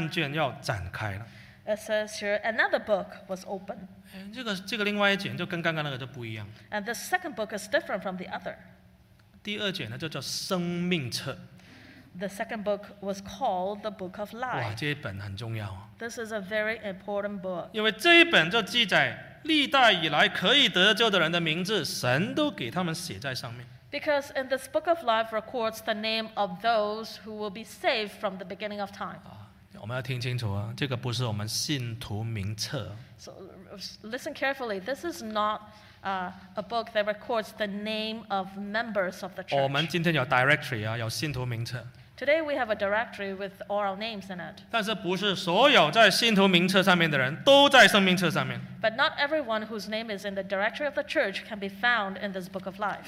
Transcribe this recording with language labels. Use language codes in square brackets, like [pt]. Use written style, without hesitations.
[zh] 这里说呀，另一卷案卷要展开了。 [en] It says here another book was opened. [zh] 这个另外一卷就跟刚刚那个就不一样。 [en] And the second book is different from the other. [zh] 第二卷呢就叫生命册。 [en] The second book was called the Book of Life. [zh] 哇，这一本很重要。 [en] This is a very important book. [zh] 因为这一本就记载。历代以来可以得救的人的名字，神都给他们写在上面。 [en] Because in this book of life records the name of those who will be saved from the beginning of time. [zh] 我们要听清楚啊，这个不是我们信徒名册。 [en] So listen carefully. This is not a book that records the name of members of the church. [zh] 我们今天有 directory啊，有信徒名册。 [en] Today we have a directory with all our names in it. [zh] 但是不是所有在信徒名册上面的人都在生命册上面。 [en] But not everyone whose name is in the directory of the church can be found in this book of life.